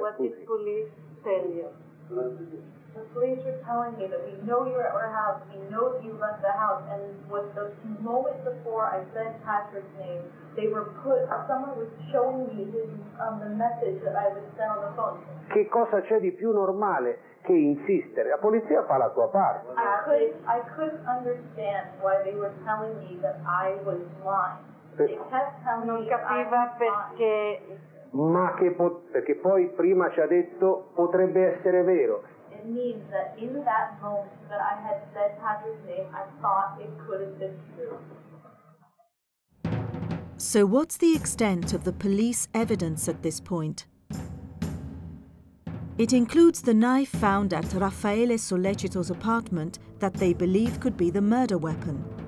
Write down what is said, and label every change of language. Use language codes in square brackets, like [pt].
[en] What did police tell you? The police were telling me that we know you're at our house, we know you left the house, and with the moment before I said Patrick's name, they were put, someone was showing me his, the message that I would send on the phone. [it] Che cosa c'è di più normale che insistere? La polizia fa la sua parte. [en] I couldn't understand why they were telling me that I was lying. [it] Non capiva perché... Ma che perché poi prima ci ha detto potrebbe essere vero. [en] It means that in that moment that I had said Patrick's name, I thought it could have been true. So what's the extent of the police evidence at this point? It includes the knife found at Raffaele Sollecito's apartment that they believe could be the murder weapon.